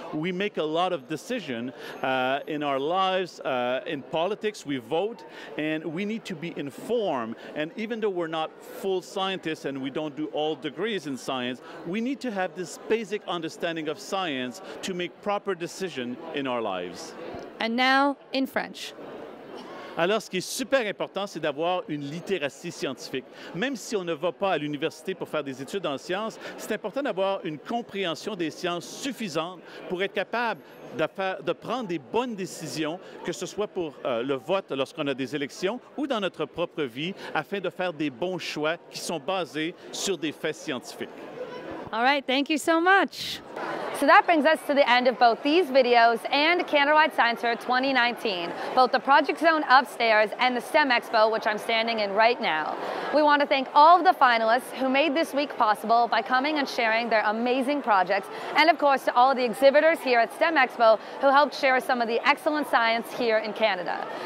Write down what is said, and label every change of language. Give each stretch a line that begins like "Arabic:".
English: We make a lot of decisions in our lives, in politics, we vote, and we need to be informed. And even though we're not full scientists and we don't do all degrees in science, we need to have this basic understanding of science to make proper decisions in our lives. And now in French.
French: Alors, ce qui est super important, c'est d'avoir une littératie scientifique. Même si on ne va pas à l'université pour faire des études en sciences, c'est important d'avoir une compréhension des sciences suffisante pour être capable de prendre des bonnes décisions, que ce soit pour le vote lorsqu'on a des élections ou dans notre propre vie, afin de faire des bons choix qui sont basés sur des faits scientifiques.
English: All right, thank you so much. So that brings us to the end of both these videos and Canada-wide Science Fair 2019, both the Project Zone upstairs and the STEM Expo, which I'm standing in right now. We want to thank all of the finalists who made this week possible by coming and sharing their amazing projects, and of course to all of the exhibitors here at STEM Expo who helped share some of the excellent science here in Canada.